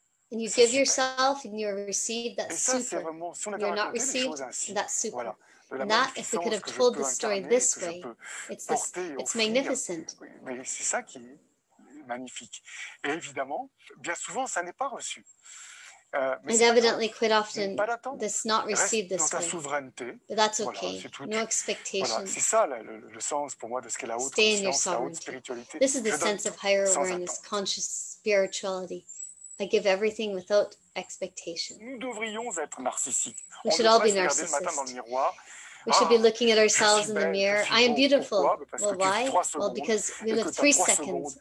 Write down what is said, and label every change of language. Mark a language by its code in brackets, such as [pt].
[en] And you give yourself, and you are received. That's super. You're not received. That's super. And that, if we could have told the story this way, it's magnificent. [fr] Mais c'est ça qui est magnifique. Et évidemment, bien souvent, ça n'est pas reçu. [en] And evidently, quite often, this not received this way. [fr] Souveraineté. [en] But that's okay. Voilà, no expectations. [fr] Voilà, c'est ça le sens pour moi de ce qu'est la haute stay conscience, la haute spiritualité. [en] This is the sense of higher awareness, conscious spirituality. I give everything without expectation. [fr] Nous devrions être narcissiques. [en] We should all be narcissists. We should be looking at ourselves in the mirror. I am beautiful. Well, why? Well, because we live 3 seconds.